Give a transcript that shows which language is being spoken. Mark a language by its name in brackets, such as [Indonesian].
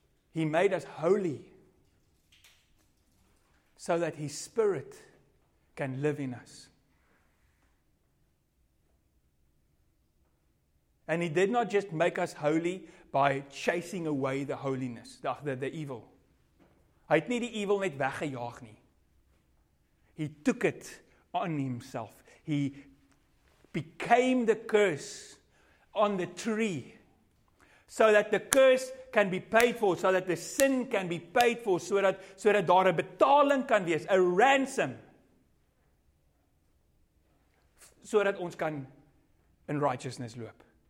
[English] He made us holy. So that his spirit can live in us. And he did not just make us holy by chasing away the holiness, the evil. [Afrikaans] Hy het nie die evil net weggejaag nie. [English] He took it on himself. He became the curse on the tree so that the curse can be paid for, so that the sin can be paid for, so that [Afrikaans] daar 'n betaling kan wees, [English] a ransom, so that [Afrikaans] ons kan in [English] righteousness loop.